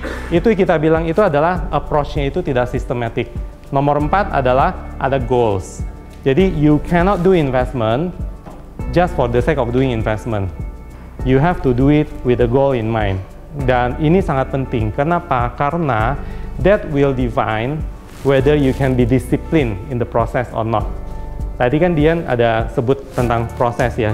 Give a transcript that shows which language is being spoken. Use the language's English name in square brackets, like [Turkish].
[Indonesian] Itu kita bilang itu adalah approach-nya itu tidak sistematik. Nomor empat adalah ada goals. [English] Jadi, you cannot do investment just for the sake of doing investment. You have to do it with a goal in mind. [Indonesian] Dan ini sangat penting. Kenapa? [English] Karena that will define whether you can be disciplined in the process or not. [Indonesian] Tadi kan Dian ada sebut tentang proses ya.